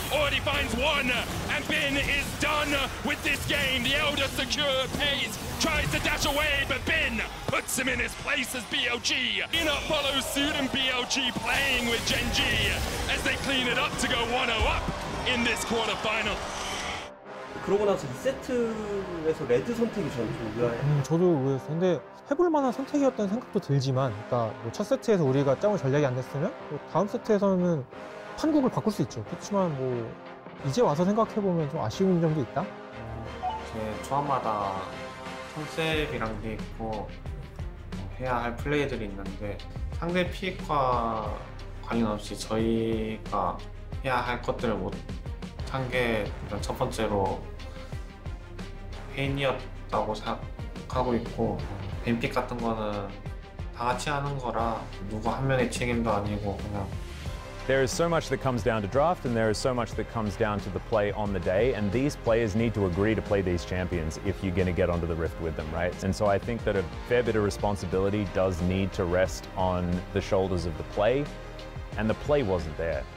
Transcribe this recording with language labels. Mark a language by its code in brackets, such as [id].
[en] Already finds one, and Bin is done with this game. The Elder secure Pei. Tries to dash away, but Bin puts him in his place as BLG. Inner follows suit, and BLG playing with Gen G as they clean it up to go 1-0 up in this quarterfinal. [ko] 그러고 나서 2세트에서 레드 선택이 저는 좀 의아해요. 저도 의외였어요. 근데 해볼 만한 선택이었다는 생각도 들지만 그러니까 뭐 첫 세트에서 우리가 짜고 전략이 안 됐으면 뭐 다음 세트에서는 판국을 바꿀 수 있죠. 그렇지만 뭐 이제 와서 생각해보면 좀 아쉬운 점도 있다? 제 조합마다 컨셉이란 게 있고 해야 할 플레이들이 있는데 상대 픽과 관련없이 저희가 해야 할 것들을 못 한 게 일단 첫 번째로 페인이었다고 생각하고 있고 뱀픽 같은 거는 다 같이 하는 거라 누구 한 명의 책임도 아니고 그냥 [en] There is so much that comes down to draft and there is so much that comes down to the play on the day and these players need to agree to play these champions if you're going to get onto the rift with them, right? And so I think that a fair bit of responsibility does need to rest on the shoulders of the play and the play wasn't there.